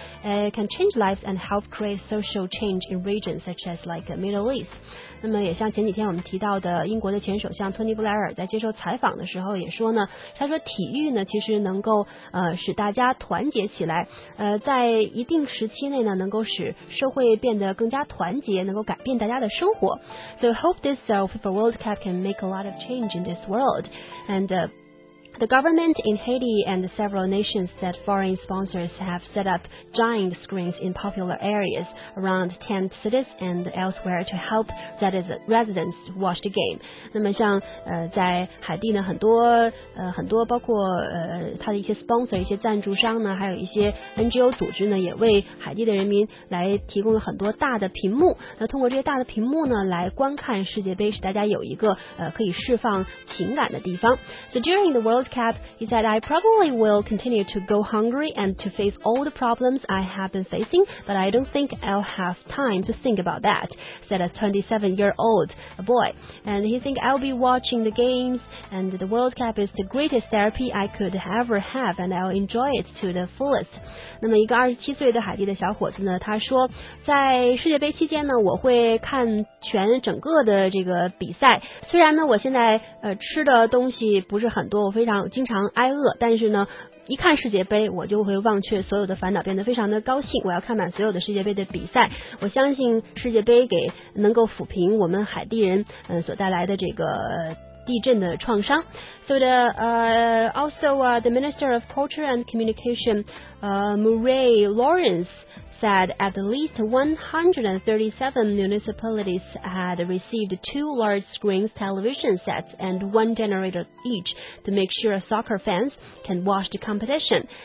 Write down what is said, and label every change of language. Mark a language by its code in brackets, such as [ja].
[en] It can change lives and help create social change in regions such as like the Middle East. [zh] 那么也像前几天我们提到的英国的前首相托尼布莱尔在接受采访的时候也说呢，他说体育呢其实能够使大家团结起来，在一定时期内呢能够使社会变得更加团结，能够改变大家的生活。 [en] So hope this FIFA World Cup can make a lot of change in this world andThe government in Haiti and several nations that foreign sponsors have set up giant screens in popular areas around tent cities and elsewhere to help residents watch the game. [zh] 那么像在海地呢，很多包括它的一些 sponsor、一些赞助商呢，还有一些 NGO 组织呢，也为海地的人民来提供了很多大的屏幕。那通过这些大的屏幕呢，来观看世界杯，使大家有一个可以释放情感的地方。 [en] So during the World cap, he said, I probably will continue to go hungry and to face all the problems I have been facing, but I don't think I'll have time to think about that, said a 27-year-old boy. And he think I'll be watching the games, and the World Cup is the greatest therapy I could ever have, and I'll enjoy it to the fullest. [zh] 那么一个27岁的海地的小伙子呢，他说，在世界杯期间呢，我会看全整个的这个比赛，虽然呢，我现在吃的东西不是很多，我非常经常挨饿，但是呢，一看世界杯，我就会忘却所有的烦恼，变得非常的高兴。我要看满所有的世界杯的比赛。我相信世界杯给能够抚平我们海地人所带来的这个地震的创伤。 [en] So the the Minister of Culture and Communication, Murray Lawrence. Said at least 137 municipalities had received two large screen television sets and one generator each to make sure soccer fans can watch the competition.